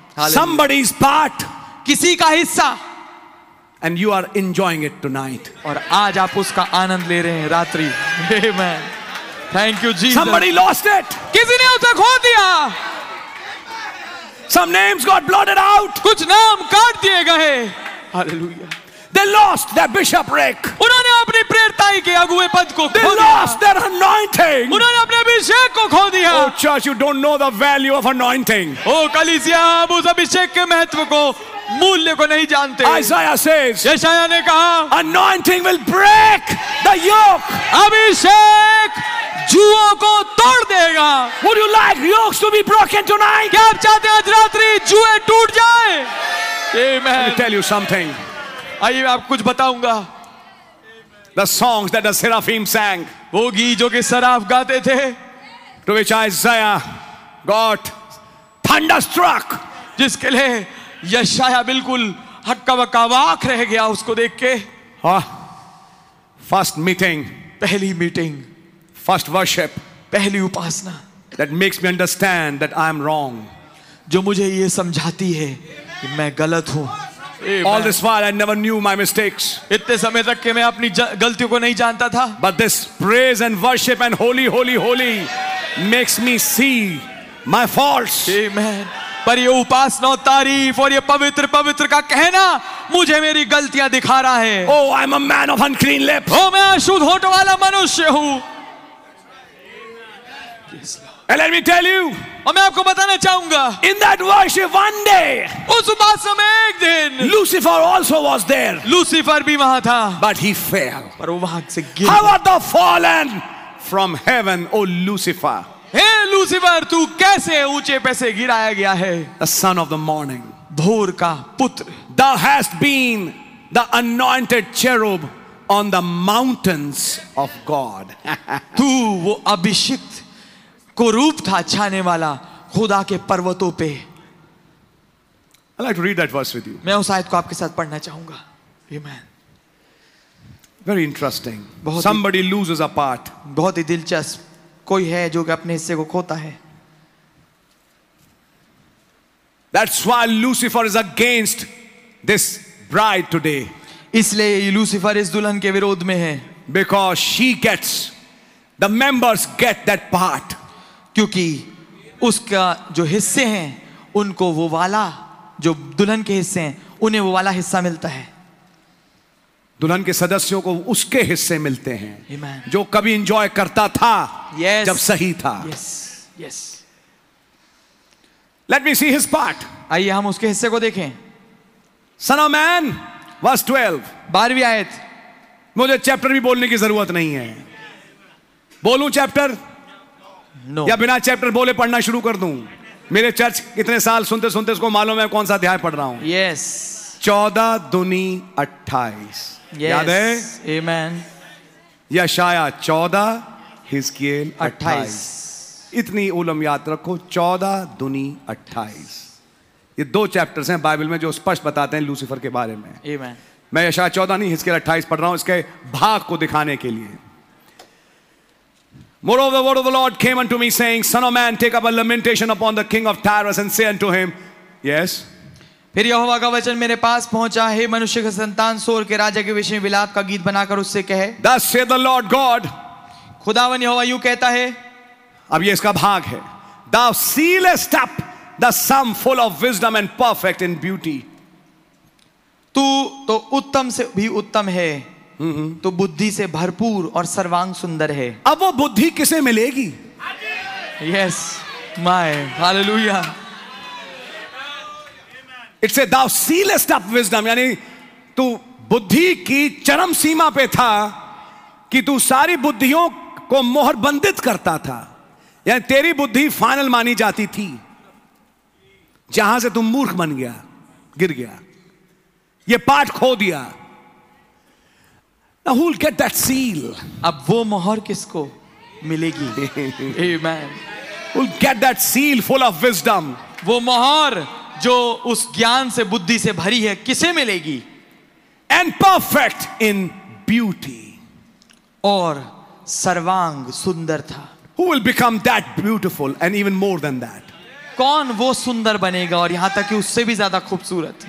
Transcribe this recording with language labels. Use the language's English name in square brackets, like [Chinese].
[English] Somebody's part. [Hindi] किसी का हिस्सा. [English] And you are enjoying it tonight. [Hindi] और आज आप उसका आनंद ले रहे हैं रात्रि. [English] Amen. Thank you, Jesus. Somebody lost it. [Hindi] किसी ने उसे खो दिया. [English] Some names got blotted out. [Hindi] कुछ नाम काट दिए गए. [English] Hallelujah. They lost their bishopric. [Hindi] उन्होंने अपनी प्रेरिताई के अगुए पद को खो दिया. [English] They lost their anointing. [Hindi] उन्होंने अपने अभिषेक को खो दिया. [English] Oh church, you don't know the value of anointing. [Hindi] Oh कलीसिया, आप उस अभिषेक के महत्व को, मूल्य को नहीं जानते. [English] Isaiah says. [Hindi] यशायाह ने कहा. [English] Anointing will break the yoke. [Hindi] अभिषेक जुओ को तोड़ देगा. [English] Would you like yokes to be broken tonight? [Hindi] क्या आप चाहते हैं आज रात्रि जुए टूट जाए? [English] Amen. Let me tell you something. [Hindi] आइए मैं आपको कुछ बताऊंगा. [English] The songs that the seraphim sang. [Hindi] वो गीत जो कि सराफ गाते थे. [English] To which Isaiah got thunderstruck. [Hindi] जिसके लिए यशाया बिल्कुल हक्का बक्का वाक रह गया उसको देख के. [English] First meeting. [Hindi] पहली मीटिंग. [English] First worship. [Hindi] पहली उपासना. [English] That makes me understand that I am wrong. [Hindi] जो मुझे ये समझाती है कि मैं गलत हूँ. [English] All this while I never knew my mistakes. [Hindi] इतने समय तक के मैं अपनी गलतियों को नहीं जानता था. [English] But this praise and worship and holy, holy, holy makes me see my faults. Amen. [Hindi] पर ये उपासना तारीफ और ये पवित्र पवित्र का कहना मुझे मेरी गलतियां दिखा रहा है. [English] Oh, I'm a man of unclean lips. [Hindi] Oh, मैं अशुद्ध होंठ वाला मनुष्य हूँ. [English] And let me tell you. [Hindi] और मैं आपको बताना चाहूंगा. [English] In that worship one day. [Hindi] उस उपासना में एक दिन. [English] Lucifer also was there. [Hindi] Lucifer भी वहां था. [English] But he fell. [Hindi] पर वो वहां से [English] गिर. How art thou fallen from heaven, O Lucifer? [Hindi] Hey Lucifer, तू कैसे ऊंचे पैसे गिराया गया है. [English] A son of the morning. [Hindi] भोर का पुत्र. [English] Thou hast been the anointed cherub on the mountains of God. [Hindi] तू वो अभिषिक्त को रूप था छाने वाला खुदा के पर्वतों पे. [English] I'd like to read that verse with you. [Hindi] मैं उस आयत को आपके साथ पढ़ना चाहूंगा. [English] Amen. Very interesting. Somebody loses a part. [Hindi] बहुत ही दिलचस्प. कोई है जो कि अपने हिस्से को खोता है. [English] That's why Lucifer is against this bride today. [Hindi] इसलिए लूसीफर इस दुल्हन के विरोध में है. [English] Because she gets, the members get that part. [Hindi] क्योंकि उसका जो हिस्से हैं उनको वो वाला, जो दुल्हन के हिस्से हैं उन्हें वो वाला हिस्सा मिलता है. दुल्हन के सदस्यों को उसके हिस्से मिलते हैं. [English] Amen. [Hindi] जो कभी इंजॉय करता था. [English] Yes. [Hindi] जब सही था. [English] Yes. Yes. Let me see his part. [Hindi] आइए हम उसके हिस्से को देखें. [English] Son of man, verse 12. [Hindi] बारहवीं आयत. मुझे चैप्टर भी बोलने की जरूरत नहीं है. बोलूं चैप्टर? [English] No. [Hindi] या बिना चैप्टर बोले पढ़ना शुरू कर दूं? मेरे चर्च कितने साल सुनते सुनते उसको मालूम है कौन सा अध्याय पढ़ रहा हूं. [English] Yes. 14:28. Yes. [Hindi] याद है? [English] Amen. [Hindi] यशाया 14, हिजकिएल 28. इतनी उलम याद रखो. 14:28. ये दो चैप्टर्स हैं बाइबल में जो स्पष्ट बताते हैं लूसीफर के बारे में. [English] Amen. [Hindi] मैं यशाया 14 नहीं, हिजकिएल 28 पढ़ रहा हूं इसके भाग को दिखाने के लिए. [English] Moreover, the word of the Lord came unto me, saying, Son of man, take up a lamentation upon the king of Tyrus and say unto him, Yes. [Hindi] फिर यहोवा का वचन मेरे पास पहुंचा, हे मनुष्य के संतान, सोर के राजा के विषय में विलाप का गीत बनाकर उससे कहे. [English] Thus saith the Lord God. [Hindi] खुदावन यहोवा यूं कहता है. अब ये इसका भाग है. [English] Thou sealest up the sum full of wisdom and perfect in beauty. [Hindi] तू तो उत्तम से भी उत्तम है. तो बुद्धि से भरपूर और सर्वांग सुंदर है. अब वो बुद्धि किसे मिलेगी? [English] Yes, my hallelujah. It's a thou sealest up wisdom, [Hindi] यानी तू बुद्धि की चरम सीमा पे था कि तू सारी बुद्धियों को मोहर बंदित करता था. यानी तेरी बुद्धि फाइनल मानी जाती थी जहां से तू मूर्ख बन गया, गिर गया, ये पाठ खो दिया. [English] Now who'll get that seal? [Hindi] अब वो मोहर किसको मिलेगी? Amen. [English] Who'll get that seal full of wisdom? [Hindi] वो मोहर जो उस ज्ञान से बुद्धि से भरी है किसे मिलेगी? [English] and perfect in beauty, [Hindi] और सर्वांग सुंदर था. [English] Who will become that beautiful and even more than that? [Hindi] कौन वो सुंदर बनेगा और यहां तक कि उससे भी ज्यादा खूबसूरत?